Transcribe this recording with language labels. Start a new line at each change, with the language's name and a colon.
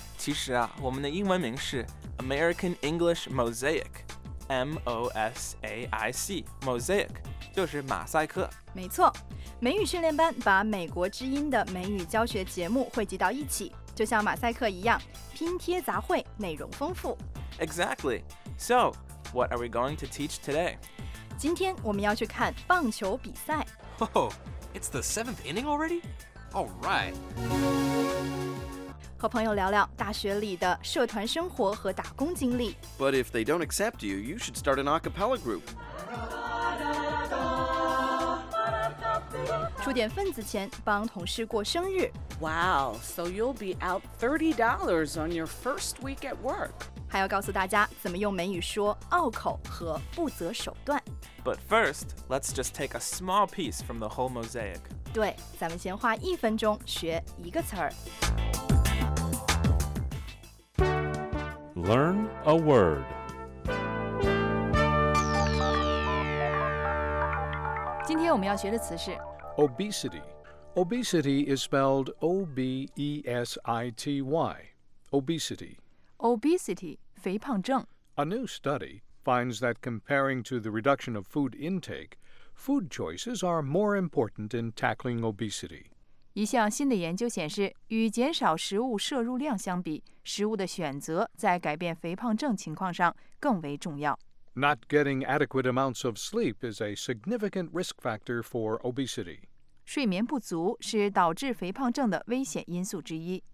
Chinese: 其实啊我们的英文名是 American English Mosaic M-O-S-A-I-C Mosaic 就是马赛克没错美语训练班把美国之音的美语教学节目汇集到一起就像马赛克一样拼贴杂烩内容丰富
English: Exactly So, what are we going to teach today?
Chinese: 今天我们要去看棒球比赛
English: Oh, it's the 7th inning already? Alright
Chinese: 和朋友聊聊大学里的社团生活和打工经历
English: But if they don't accept you, you should start an a cappella group
Chinese: 出点份子钱帮同事过生日
English: Wow, so you'll be out $30 on your first week at work
Chinese: 还要告诉大家怎么用美语说拗口和不择手段
English: But first, let's just take a small piece from the whole mosaic
Chinese: 对咱们先花一分钟学一个词儿
English: Learn a word
Chinese: 今天我们要学的词是
English: Obesity. Obesity is spelled O-B-E-S-I-T-Y. Obesity.
Chinese: Obesity, 肥胖症
English: A new study finds that comparing to the reduction of food intake, food choices are more important in tackling obesity.
Chinese: 一项新的研究显示，与减少食物摄入量相比，食物的选择在改变肥胖症情况上更为重要。
English: Not getting adequate amounts of sleep is a significant risk factor for obesity.
Chinese: 睡眠不足是导致肥胖症的危险因素之一。